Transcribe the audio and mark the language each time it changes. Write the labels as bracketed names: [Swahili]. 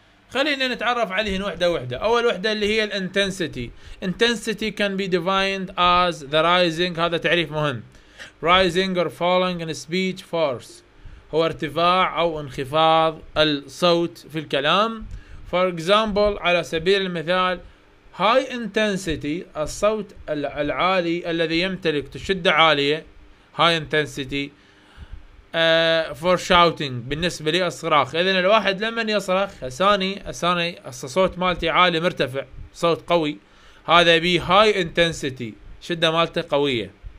[Arabic] خلينا نتعرف عليهن واحدة واحدة. أول واحدة اللي هي الانتنسيتي. [English] intensity can be defined as the rising, [Arabic] هذا تعريف مهم, [English] rising or falling in speech force, [Arabic] هو ارتفاع أو انخفاض الصوت في الكلام. [English] For example, [Arabic] على سبيل المثال, high intensity, الصوت العالي الذي يمتلك شدة عالية, [English] high intensity for shouting, [Arabic] بالنسبة لي الصراخ. إذن الواحد لما يصرخ أساني الصوت مالتي عالي مرتفع صوت قوي, هذا بي high intensity, شدة مالتي قوية.